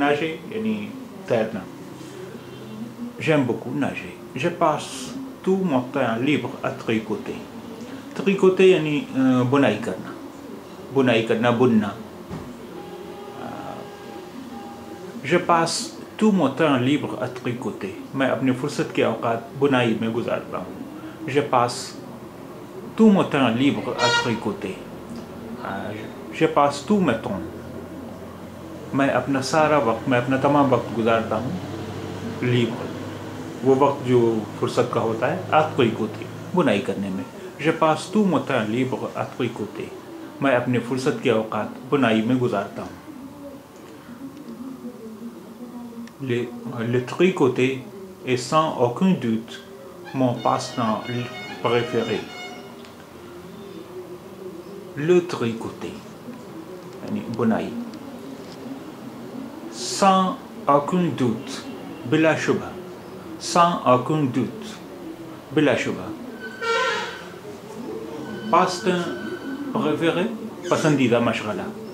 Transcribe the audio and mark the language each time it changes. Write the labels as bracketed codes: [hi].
[fr] Nager, [ur] yani tairna. [fr] J'aime beaucoup nager. Je passe tout mon temps libre à tricoter. [ur] Tricoter, yani bunai karna. Bunai karna, bunna. [fr] Je passe tout mon temps libre à tricoter. [ur] میں اپنے فرصت کے اوقات بنائی میں گزارتا ہوں. [fr] Je passe tout mon temps libre à tricoter. Je passe tout mon temps. [ur] میں اپنا سارا وقت، میں اپنا تمام وقت گزارتا ہوں libre. وہ وقت جو فرصت کا ہوتا ہے [fr] à tricoter، [ur] بنائی کرنے میں. [fr] Je passe tout mon temps libre à tricoter. [ur] میں اپنے فرصت کے اوقات بنائی میں گزارتا ہوں. [fr] Le tricoter est sans aucun doute mon passe-temps préféré. Le tricoter, [ur] yani bunai, [fr] sans aucun doute, [ur] bila shubha, [fr] sans aucun doute, bila shubha, passe-temps préféré, [ur] pasandida mashghala.